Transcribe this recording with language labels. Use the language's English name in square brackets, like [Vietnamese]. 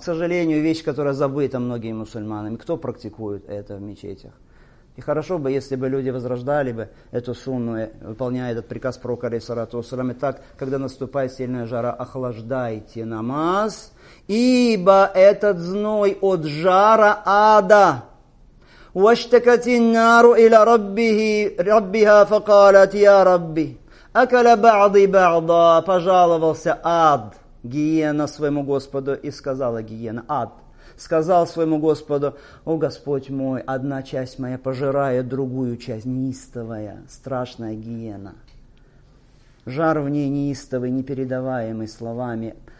[Russian] К сожалению, вещь, которая забыта многими мусульманами. Кто практикует это в мечетях? И хорошо бы, если бы люди возрождали бы эту сунну, выполняя этот приказ пророка, алейхиссалату вассалям. Итак, когда наступает сильная жара, охлаждайте намаз, ибо этот зной от жара ада. [Arabic] واشتكتِ النار إلى ربه ربها فقالت يا ربي أكل بعضي بعضا. [Russian] Пожаловался ад, гиена, своему Господу, и сказала гиена, ад, сказал своему Господу: «О Господь мой, одна часть моя пожирает другую часть». Неистовая, страшная гиена. Жар в ней неистовый, непередаваемый словами.